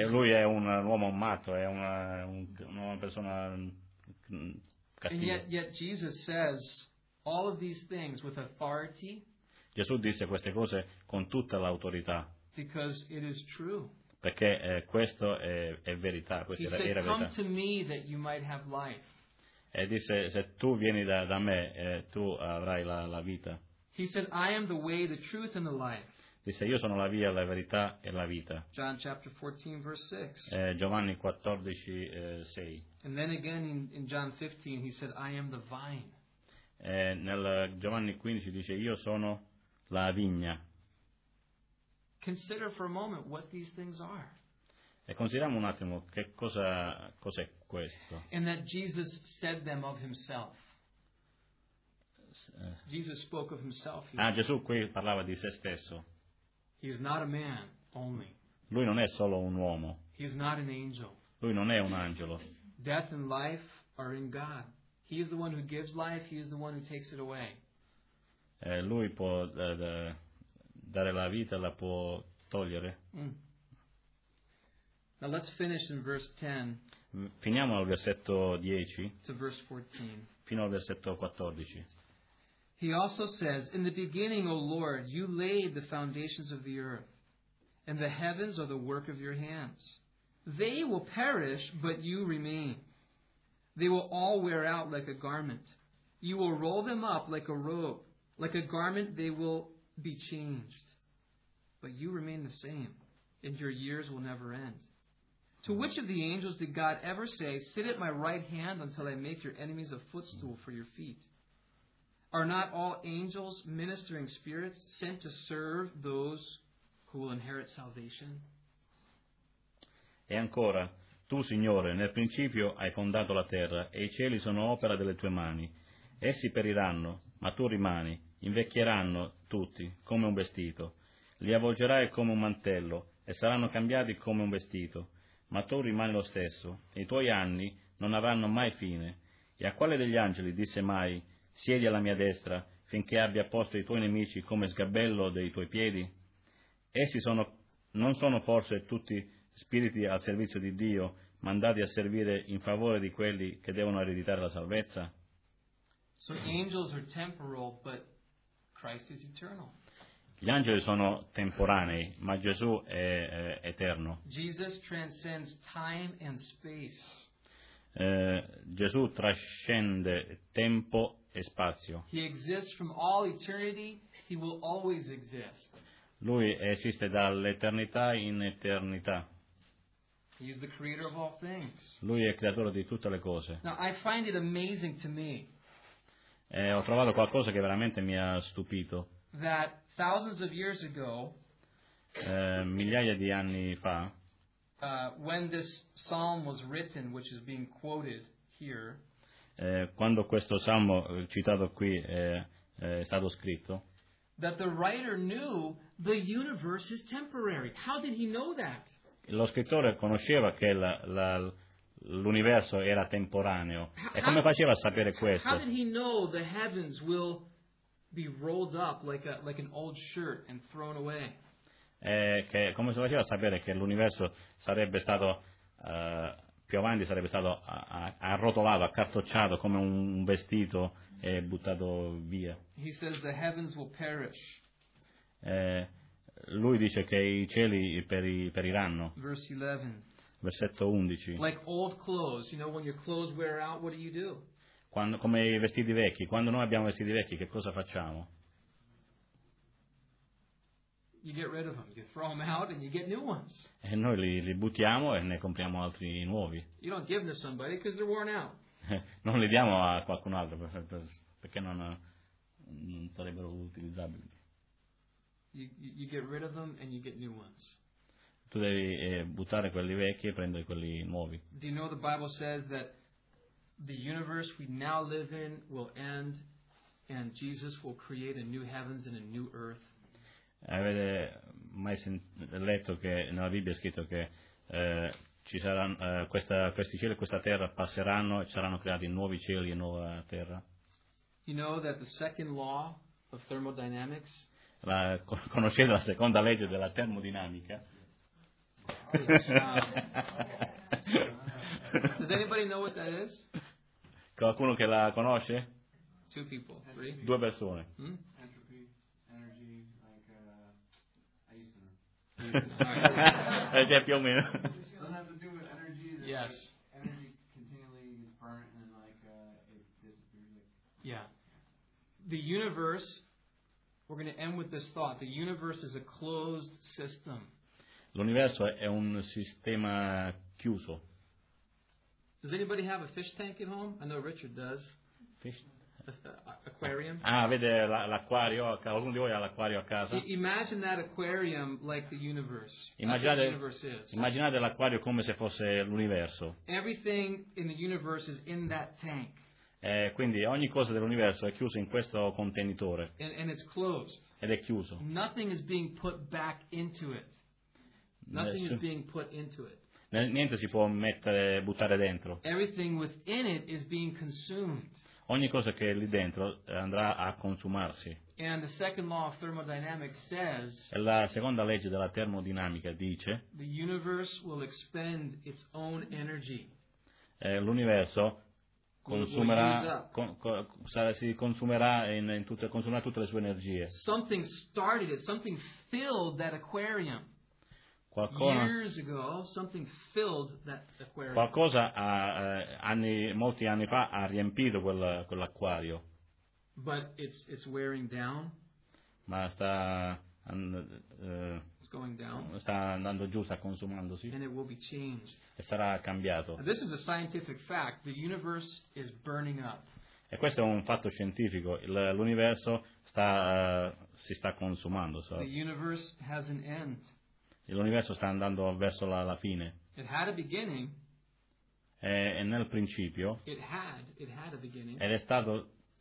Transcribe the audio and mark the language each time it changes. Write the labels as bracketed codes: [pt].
[it] E lui è un uomo matto, è una persona cattiva. [en] And yet Jesus says all of these things with authority. [it] Gesù disse queste cose con tutta l'autorità. [en] Because it is true. [it] Perché questo è verità, questa [en] he [it] era [en] said, [it] verità. [en] Come to me that you might have life. [it] E disse, se tu vieni da me, tu avrai la vita. [en] He said, I am the way, the truth, and the life. [it] Disse, io sono la via, la verità e la vita. [en] John chapter 14, verse 6. [it] Giovanni 14, 6. [en] And then again in John 15, he said, I am the vine. [it] Nel Giovanni 15 dice, io sono la vigna. [en] Consider for a moment what these things are. [it] E consideriamo un attimo che cos'è questo. [en] And that Jesus said them of himself. Jesus spoke of himself. [it] Gesù qui parlava di se stesso. [en] He's not a man only. [it] Lui non è solo un uomo. [en] He's not an angel. [it] Lui non è un angelo. [en] Death and life are in God. He is the one who gives life. He is the one who takes it away. [it] Lui può dare la vita, la può togliere. [en] Now let's finish in verse 10. [it] Finiamo al versetto 10. [en] To verse 14. [it] Fino al versetto 14. [en] He also says, "In the beginning, O Lord, you laid the foundations of the earth, and the heavens are the work of your hands. They will perish, but you remain. They will all wear out like a garment. You will roll them up like a robe. Like a garment they will be changed. But you remain the same, and your years will never end. To which of the angels did God ever say, 'Sit at my right hand until I make your enemies a footstool for your feet'? Are not all angels ministering spirits sent to serve those who will inherit salvation?" [it] E ancora, "Tu, Signore, nel principio hai fondato la terra, e i cieli sono opera delle tue mani. Essi periranno, ma tu rimani, invecchieranno tutti, come un vestito. Li avvolgerai come un mantello, e saranno cambiati come un vestito. Ma tu rimani lo stesso, e i tuoi anni non avranno mai fine. E a quale degli angeli disse mai, 'Siedi alla mia destra, finché abbia posto i tuoi nemici come sgabello dei tuoi piedi'? Essi sono, non sono forse tutti spiriti al servizio di Dio, mandati a servire in favore di quelli che devono ereditare la salvezza?" [en] So angels are temporal, but Christ is eternal. [it] Gli angeli sono temporanei, ma Gesù è eterno. [en] Jesus transcends time and space. [it] Gesù trascende tempo e spazio. [en] He exists from all eternity, he will always exist. [it] Lui esiste dall'eternità in eternità. [en] He is the creator of all things. [it] Lui è creatore di tutte le cose. [en] Now, I find it amazing to me. [it] Ho trovato qualcosa che veramente mi ha stupito. [en] That thousands of years ago, [it] migliaia di anni fa, [en] when this psalm was written, which is being quoted here, [it] quando questo salmo citato qui è stato scritto, [en] that the writer knew the universe is temporary. How did he know that? [it] Lo scrittore conosceva che l'universo era temporaneo. E come faceva a sapere questo? [en] How did he know the heavens will be rolled up like an old shirt and thrown away? [it] Come si faceva a sapere che l'universo sarebbe stato più avanti sarebbe stato arrotolato, accartocciato come un vestito e buttato via? [en] He says the heavens will perish. [it] Lui dice che i cieli periranno. [en] Verse 11. [it] Versetto 11. [en] Like old clothes, you know, when your clothes wear out, what do you do? [it] Quando, come i vestiti vecchi, quando noi abbiamo vestiti vecchi, che cosa facciamo? [en] You get rid of them, you throw them out and you get new ones. [it] E noi li buttiamo e ne compriamo altri nuovi. [en] You don't give them to somebody because they're worn out. [it] Non li diamo a qualcun altro perché non sarebbero utilizzabili. [en] You get rid of them and you get new ones. [it] Tu devi buttare quelli vecchi e prendere quelli nuovi. [en] Do you know the Bible says that the universe we now live in will end and Jesus will create a new heavens and a new earth? [it] Avete mai letto che nella Bibbia è scritto che ci saranno questi cieli e questa terra passeranno e ci saranno creati nuovi cieli e nuova terra? [en] You know that the second law of thermodynamics? [it] Conoscete la seconda legge della termodinamica? [en] Does anybody know what that is? [it] Qualcuno che la conosce? [en] Two people, three. [it] Due persone. [en] Entropy, energy, like I used to know. [it] Più o meno. [en] Doesn't have to do with energy. Yes. Like energy continually is burnt and like it disappears. Yeah. The universe. We're going to end with this thought. The universe is a closed system. [it] L'universo è un sistema chiuso. [en] Does anybody have a fish tank at home? I know Richard does. Fish? Aquarium? [it] Ah, vede l'acquario? Qualcuno di voi ha l'acquario a casa? [en] Imagine that aquarium like the universe. [it] Immaginate, [en] the universe is. [it] Immaginate l'acquario come se fosse l'universo. [en] Everything in the universe is in that tank. [it] Quindi ogni cosa dell'universo è chiusa in questo contenitore. [en] And it's closed. [it] Ed è chiuso. [en] Nothing is being put back into it. Nothing is being put into it. [it] Niente si può mettere, buttare dentro. [en] Everything within it is being consumed. [it] Ogni cosa che è lì dentro andrà a consumarsi. [en] And the second law of thermodynamics says. [it] E la seconda legge della termodinamica dice. [en] The universe will expend its own energy. [it] l'universo consumerà, consumerà tutte le sue energie. [en] Something started it, something filled that aquarium. [it] Qualcosa ha, anni, molti anni fa ha riempito quell'acquario. [en] But it's wearing down. [it] Ma sta, [en] it's going down. [it] Sta andando giù, sta consumandosi. [en] And it will be changed. [it] E sarà cambiato. [en] And this is a scientific fact. The universe is burning up. [it] E questo è un fatto scientifico. L'universo sta, si sta consumando. [en] So. The universe has an end. [it] L'universo sta andando verso la, la fine. [en] It had a beginning. [it] E nel principio. [en] It had a beginning. [it] Ed è stato.